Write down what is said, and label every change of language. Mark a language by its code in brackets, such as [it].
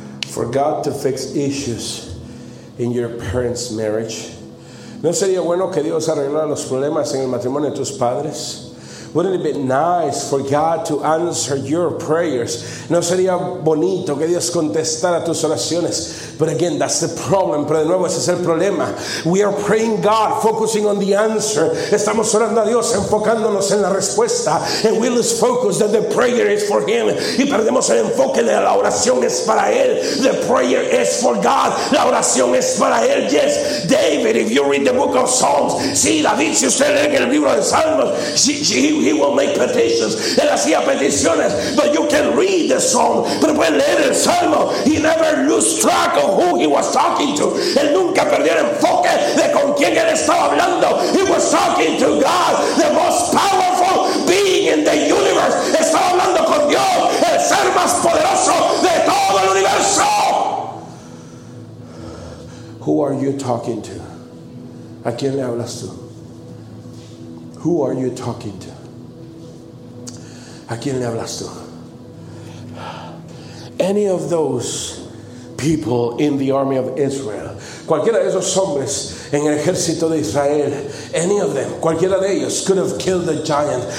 [en] For God to fix issues in your parents' marriage. [es] ¿No sería bueno que Dios arreglara los problemas en el matrimonio de tus padres? [en] Wouldn't it be nice for God to answer your prayers? [es] ¿No sería bonito que Dios contestara tus oraciones? [en] But again, that's the problem. [es] Pero de nuevo, ese es el problema. [en] We are praying God, focusing on the answer. [es] Estamos orando a Dios, enfocándonos en la respuesta. [en] And we lose focus that the prayer is for Him. [es] Y perdemos el enfoque de la oración es para Él. [en] The prayer is for God. [es] La oración es para Él. [en] Yes, David, if you read the book of Psalms. [es] Sí, David, si usted lee el libro de Salmos. [en] He will make petitions. [es] Él hacía peticiones. [en] But you can read the Psalm. [es] Pero puede leer el Salmo. [en] He never lose track of who he was talking to. [es] Él nunca perdió el enfoque de con quién él estaba hablando. [en] He was talking to God, the most powerful being in the universe. [es] Estaba hablando con Dios, el ser más poderoso de todo el universo. [en] Who are you talking to? [es] ¿A quién le hablas tú? [en] Who are you talking to? [es] ¿A quién le hablas tú? [en] Any of those people in the army of Israel. [es] Cualquiera de esos hombres en el ejército de Israel. [en] Any of them. [es] Cualquiera de ellos [en] could have killed the giant.